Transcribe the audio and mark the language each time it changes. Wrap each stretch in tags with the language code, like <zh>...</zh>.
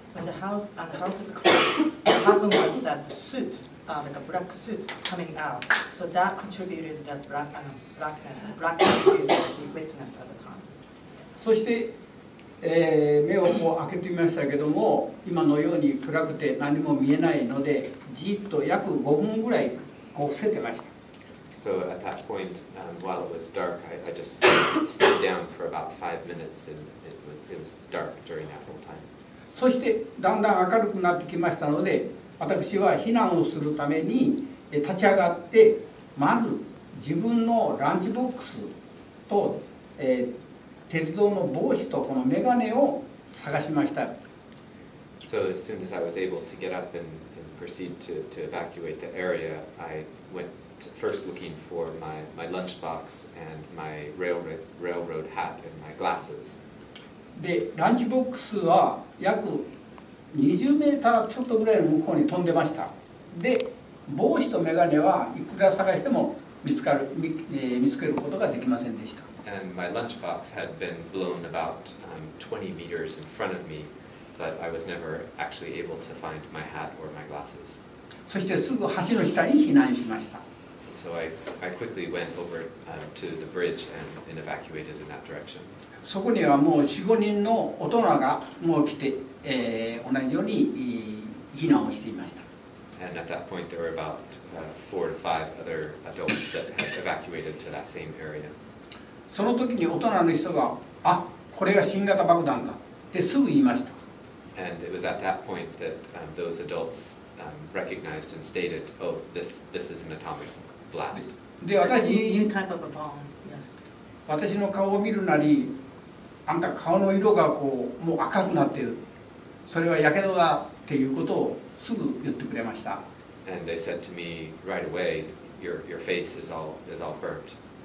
<en>When the houses collapsed, what happened was that the soot, like a black soot coming out. So that contributed to the blackness that we witnessed at the time.</en> <ja>そして、目をこう開けてみましたけども、今のように暗くて何も見えないので、じっと約5分ぐらいこう伏せてました。</ja> <en>So at that point, while it was dark, I just stayed down for about 5 minutes, and it was dark during that whole time.</en> <ja>そしてだんだん明るくなってきましたので、私は避難をするために立ち上がって、まず自分のランチボックスと、鉄道の帽子とこのメガネを探しました。</ja> <en>So as soon as I was able to get up and proceed to evacuate the area, I went first looking for my lunchbox and my railroad hat and my glasses.</en> <ja>で、ランチボックスは約20メーターちょっとぐらいの向こうに飛んでました。で、帽子とメガネはいくら探しても見つけることができませんでした。</ja> <en>And my lunchbox had been blown about 20 meters in front of me, but I was never actually able to find my hat or my glasses.</en> <ja>そしてすぐ橋の下に避難しました。</ja> <en>So I quickly went over to the bridge and evacuated in that direction.</en> <ja>そこにはもう 4,5 人の大人がもう来て、同じように避難をしていました。</ja> <en>And at that point there were about 4 to 5 other adults that had evacuated to that same area.</en> <ja>その時に大人の人が、あ、これが新型爆弾だってすぐ言いました。</ja> <en>And it was at that point that those adults recognized and stated, oh, this is an atomic blast.</en> <ja>で、私、</ja> <en>new type of a bomb, yes.</en> <ja>私の顔を見るなり、あんた顔の色がこうもう赤くなってる。それは火傷だっていうことをすぐ言ってくれました。</ja> <en>And they said to me right away, your face is all burnt.</en>